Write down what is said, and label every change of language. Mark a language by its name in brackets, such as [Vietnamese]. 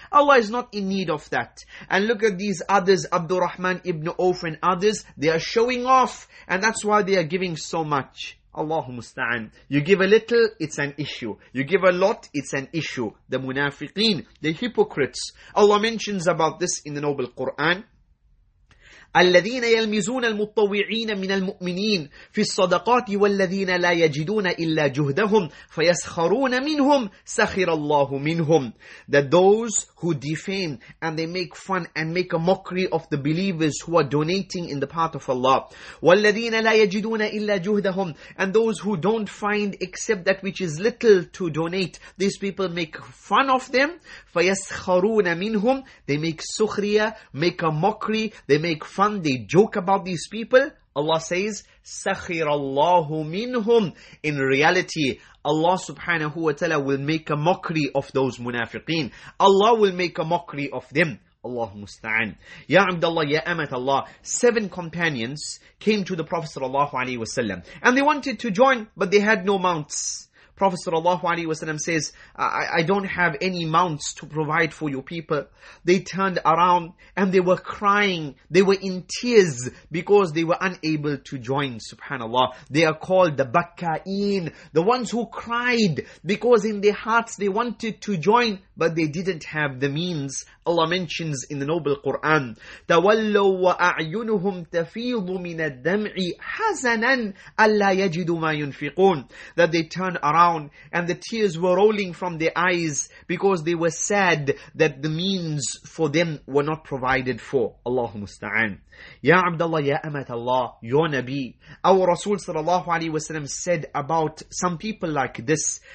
[English] Allah is not in need of that. And look at these others, Abdurrahman ibn Auf and others. They are showing off. And that's why they are giving so much. Allahu musta'an. You give a little, it's an issue. You give a lot, it's an issue. The munafiqeen, the hypocrites. Allah mentions about this in the Noble Quran. [Arabic] الذين يلمزون المطوعين من المؤمنين في الصدقات والذين لا يجدون إلا جهدهم فيسخرون منهم سخر الله منهم. [English] That those who defame and they make fun and make a mockery of the believers who are donating in the path of Allah. [Arabic] والذين لا يجدون إلا جهدهم. [English] And those who don't find except that which is little to donate, these people make fun of them. [Arabic] فيسخرون منهم. [English] They make sukhriya, make a mockery, they make fun, they joke about these people. Allah says, [Arabic] سَخِرَ اللَّهُ مِنْهُمْ. [English] In reality, Allah subhanahu wa ta'ala will make a mockery of those munafiqeen. Allah will make a mockery of them. Allah musta'an. Ya Abdullah, Ya Amat Allah, 7 companions came to the Prophet sallallahu alayhi wa sallam and they wanted to join, but they had no mounts. Prophet sallallahu alayhi wa sallam says, I don't have any mounts to provide for your people. They turned around and they were crying. They were in tears because they were unable to join. Subhanallah. They are called the Bakka'een, the ones who cried because in their hearts they wanted to join, but they didn't have the means. Allah mentions in the Noble Quran, [Arabic] تَوَلَّوا وَأَعْيُنُهُمْ تَفِيضُ مِنَ الدَّمْعِ حَزَنًا أَلَّا يَجِدُوا مَا يُنْفِقُونَ. [English] That they turned around and the tears were rolling from their eyes because they were sad that the means for them were not provided for. Allahu musta'an. Ya Abdullah, Ya Amat Allah, your Nabi, our Rasul sallallahu alayhi wasallam said about some people like this.